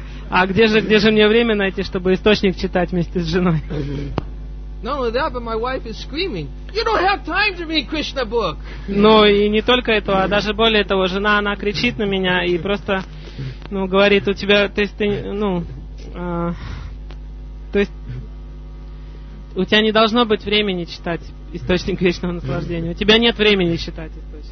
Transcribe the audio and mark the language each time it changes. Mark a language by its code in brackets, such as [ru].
[ru] А где же мне время найти, чтобы источник читать вместе с женой? [en] Not only that, but my wife is screaming. You don't have time to read Krishna book. [ru] Ну и не только это, а даже более того, жена, она кричит на меня и просто, ну, говорит, у тебя, то есть ты, ну, то есть у тебя не должно быть времени читать источник вечного наслаждения. У тебя нет времени читать источник.